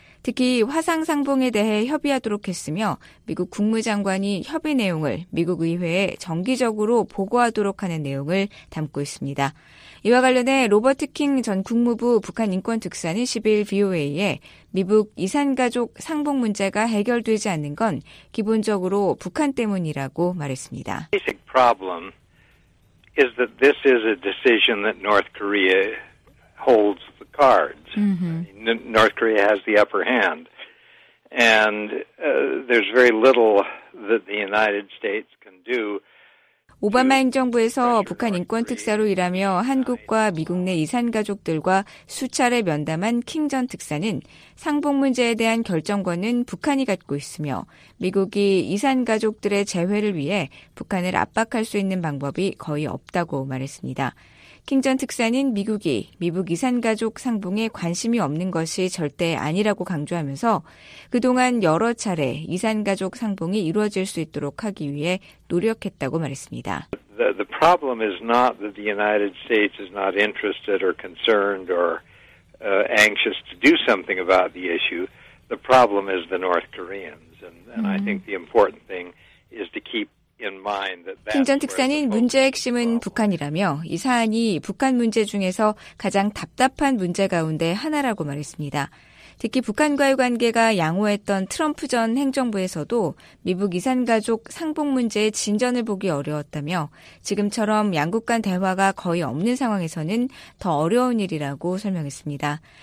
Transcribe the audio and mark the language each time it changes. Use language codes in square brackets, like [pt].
[ko] 특히 화상 상봉에 대해 협의하도록 했으며 미국 국무장관이 협의 내용을 미국 의회에 정기적으로 보고하도록 하는 내용을 담고 있습니다. 이와 관련해 로버트 킹 전 국무부 북한 인권특사는 10일 VOA에 미국 이산가족 상봉 문제가 해결되지 않는 건 기본적으로 북한 때문이라고 말했습니다. [en] The basic problem is that this is a decision that North Korea holds the cards. North Korea has the upper hand. And there's very little that the United States can do. [ko] 오바마 행정부에서 북한 인권특사로 일하며 한국과 미국 내 이산가족들과 수차례 면담한 킹 전 특사는 상봉 문제에 대한 결정권은 북한이 갖고 있으며 미국이 이산가족들의 재회를 위해 북한을 압박할 수 있는 방법이 거의 없다고 말했습니다. 킹 전 특사는 미국이 미국 이산가족 상봉에 관심이 없는 것이 절대 아니라고 강조하면서 그동안 여러 차례 이산가족 상봉이 이루어질 수 있도록 하기 위해 노력했다고 말했습니다. The problem is not that the United States is not interested or concerned or anxious to do something about the issue. The problem is the North Koreans. And I think the important thing is to keep 킹 전 특사는 문제의 핵심은 북한이라며 이 사안이 북한 문제 중에서 가장 답답한 문제 가운데 하나라고 말했습니다. 특히 북한과의 관계가 양호했던 트럼프 전 행정부에서도 미국 이산가족 상봉 문제의 진전을 보기 어려웠다며 지금처럼 양국 간 대화가 거의 없는 상황에서는 더 어려운 일이라고 설명했습니다.